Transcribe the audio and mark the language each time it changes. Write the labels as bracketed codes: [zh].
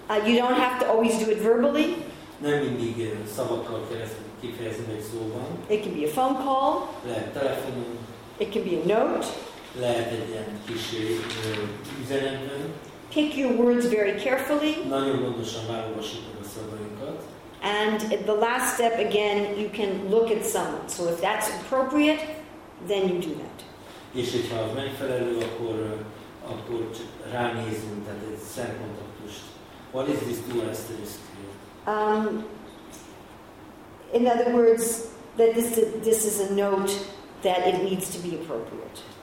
[en] You don't have to always do it verbally. [hu] Nem mindig szavakkal kell kifejezni egy szóban. [en] It can be a phone call. [hu] Lehet telefonon. [en] It can be a note. [hu] Lehet egy ilyen kis üzenetben. [en] Pick your words very carefully. [hu] Nagyon gondosan válogassuk a szavainkat. [en] And the last step again, you can look at someone. So if that's appropriate, then you do that. [hu] És hogyha az megfelelő, akkor csak ránézünk, tehát egy szemkontaktust. [en] What is this dual asterisk here? In other words, that this is a note that it needs to be appropriate.